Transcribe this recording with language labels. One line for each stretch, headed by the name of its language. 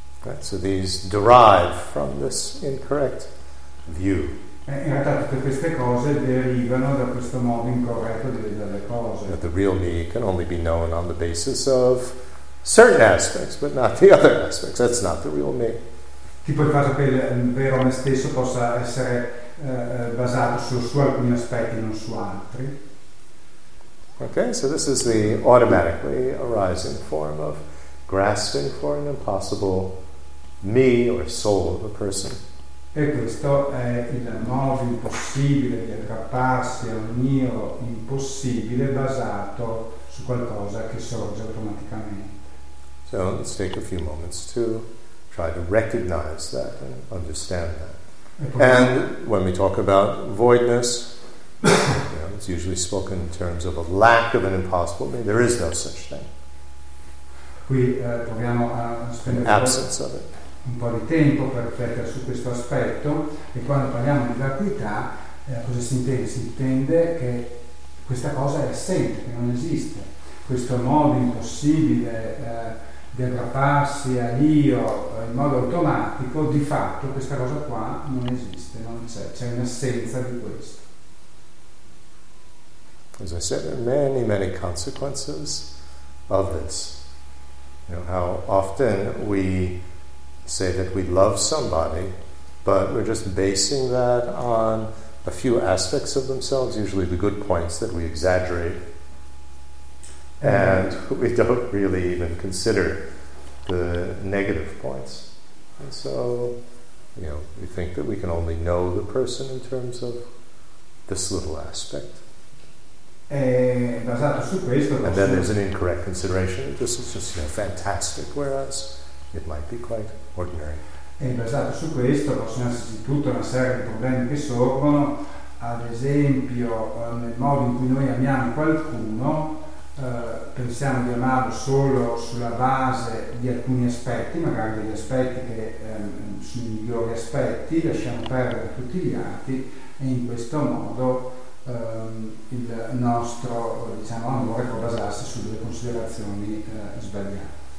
English: Right, so these derive from this incorrect view.
Italian: In realtà tutte queste cose derivano da questo modo incorretto di vedere le cose.
English: That the real me can only be known on the basis of certain aspects, but not the other aspects. That's not the real me.
Italian: Tipo il fatto che il vero me stesso possa essere basato su alcuni aspetti, non su altri.
English: Okay, so this is the automatically arising form of grasping for an impossible me or soul of a person.
Italian: E questo è il modo impossibile di aggrapparsi a un io impossibile basato su qualcosa che sorge automaticamente.
English: So let's take a few moments to try to recognize that and understand that. And when we talk about voidness, it's usually spoken in terms of a lack of an impossible me. There is no such thing.
Italian: Qui proviamo a spendere
English: absence of it.
Italian: Un po' di tempo per riflettere su questo aspetto. E quando parliamo di vacuità, cosa si intende? Si intende che questa cosa è assente, che non esiste. Questo modo impossibile di aggrapparsi a io in modo automatico, di fatto questa cosa qua non esiste, non c'è, c'è un'assenza di questo.
English: As I said, there are many, many consequences of this. You know, how often we say that we love somebody, but we're just basing that on a few aspects of themselves, usually the good points that we exaggerate. And we don't really even consider the negative points. And so, you know, we think that we can only know the person in terms of this little aspect.
Italian: È basato su questo,
English: and then there's an incorrect consideration. This is just, you know, fantastic, whereas it might be quite ordinary.
Italian: E basato su questo possono esserci tutta una serie di problemi che sorgono, ad esempio nel modo in cui noi amiamo qualcuno, pensiamo di amarlo solo sulla base di alcuni aspetti, magari degli aspetti che sui migliori aspetti, lasciamo perdere tutti gli altri, e in questo modo il nostro, diciamo, amore può basarsi su delle considerazioni sbagliate.